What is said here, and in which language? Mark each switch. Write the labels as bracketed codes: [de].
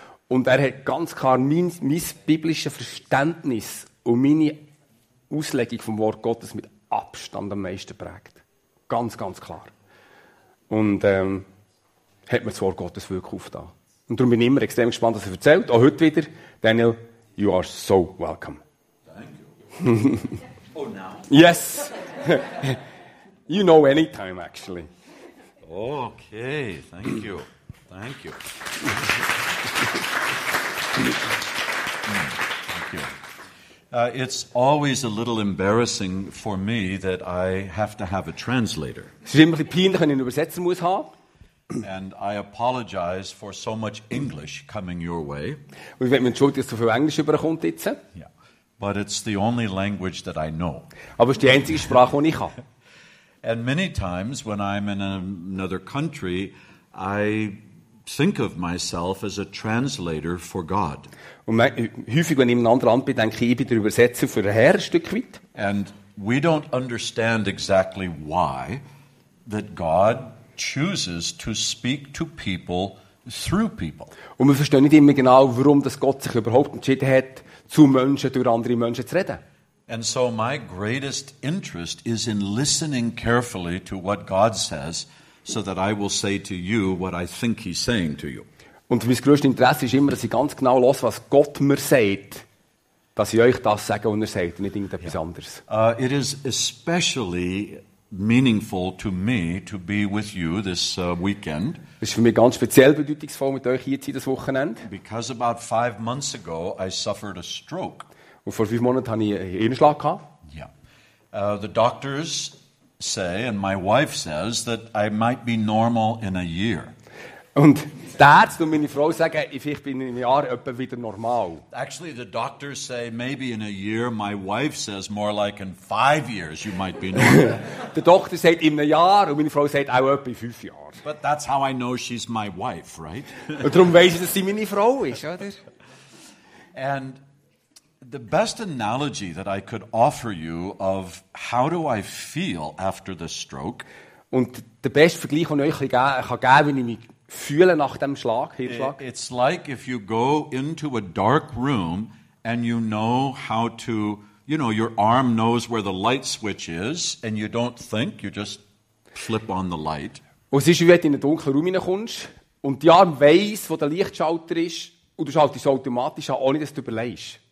[de] Und er hat ganz klar mein biblisches Verständnis und meine Auslegung vom Wort Gottes mit Abstand am meisten geprägt. Ganz, ganz klar. Und hat mir das Wort Gottes wirklich aufgetan. Und darum bin ich immer extrem gespannt, was er erzählt. Auch heute wieder. [en] Daniel, you are so welcome. Thank you. Oh, now? Yes! You know anytime, actually. Okay, thank you. Thank you. Thank you. It's always a little embarrassing for me that I have to have a translator. [de] Es ist immer ein bisschen peinlich, wenn ich einen Übersetzer muss haben. [en] And I apologize for so much English coming your way. [de] Ich will mich entschuldigen, dass so viel Englisch überkommt jetzt. [en] Yeah. But it's the only language that I know. [de] Aber es ist die einzige Sprache, die ich habe. [en] And many times when I'm in another country, I think of myself as a translator for God. [de] Häufig, wenn ich in einem anderen Land bin, denke ich, ich bin der Übersetzer für den Herrn, ein Stück weit. [en] And we don't understand exactly why that God chooses to speak to people through people. [de] Und wir verstehen nicht immer genau, warum das Gott sich überhaupt entschieden hat, zu Menschen durch andere Menschen zu reden. [en] And so my greatest interest is in listening carefully to what God says, so that I will say to you what I think He's saying to you. [de] Und mein größtes Interesse ist immer, dass ich ganz genau höre, was Gott mir sagt, dass ich euch das sage, was er sagt, nicht irgendetwas anderes. [en] It is especially meaningful to me to be with you this weekend. [de] Es ist für mich ganz speziell bedeutungsvoll, mit euch hier zu sein, das Wochenende. [en] Because about 5 months ago, I suffered a stroke. [de] Und vor 5 Monaten hatte ich einen Hirnschlag gehabt. [en] Yeah. The doctors say, and my wife says, that I might be normal in a year. [de] Und die Ärzte und meine Frau sagen, ich bin in einem Jahr etwa wieder normal. [en] Actually, the doctors say, maybe in a year. My wife says, more like in 5 years, you might be normal. [de] Der Doktor sagt, in einem Jahr. Und meine Frau sagt, auch etwa in 5 Jahren. [en] But that's how I know she's my wife, right? [de] Und darum weiss ich, dass sie meine Frau ist, oder? [en] And the best analogy that I could offer you of how do I feel after the stroke? [de] Und der beste Vergleich, den ich euch kann geben, wie ich mich fühle nach dem Schlag, Hirnschlag. [en] It's like if you go into a dark room and you know how to, you know, your arm knows where the light switch is and you don't think, you just flip on the light. [de] Und es ist, wie wenn du in einen dunklen Raum hineinkommst und die Arm weiss, wo der Lichtschalter ist und du schaltest es automatisch an, ohne dass du überlegst.